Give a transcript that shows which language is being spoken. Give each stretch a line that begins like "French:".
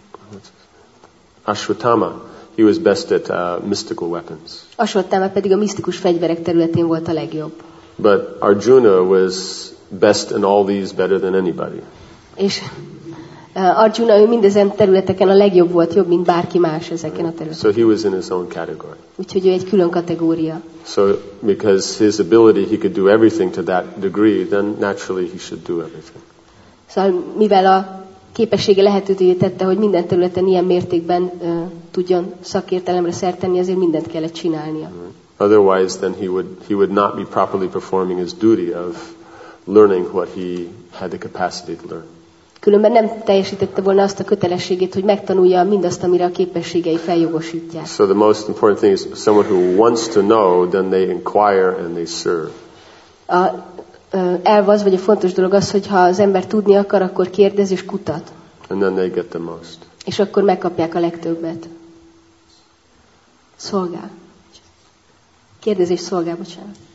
English: And Ashwatthama, he was best at mystical weapons.
Hungarian: Ashwatthama pedig a misztikus fegyverek területén volt a legjobb.
English: But Arjuna was best in all these, better than anybody.
Hungarian: És Arjuna ő mindezen területeken a legjobb volt, jobb mint bárki más ezeken a területeken.
English: So he was in his own category.
Hungarian: Úgyhogy ő egy külön kategória.
English: So because his ability, he could do everything to that degree, then naturally he should do everything.
Hungarian: Szóval mivel a képessége lehetővé tette, hogy minden területen ilyen mértékben tudjon szakértelemre szert tenni, azért mindent kellett csinálnia.
English: Otherwise, then he would not be properly performing his duty of learning what he had the capacity to learn.
Hungarian: Különben nem teljesítette volna azt a kötelességét, hogy megtanulja mindazt, amire a képességei feljogosítják.
English: So the most important thing is someone who wants to know, then they inquire and they serve.
Hungarian: A elv az, vagy a fontos dolog az, hogy ha az ember tudni akar, akkor kérdez és kutat.
English: And then they get the most.
Hungarian: És akkor megkapják a legtöbbet. Szolgál. Kérdezés szolgál, bocsánat.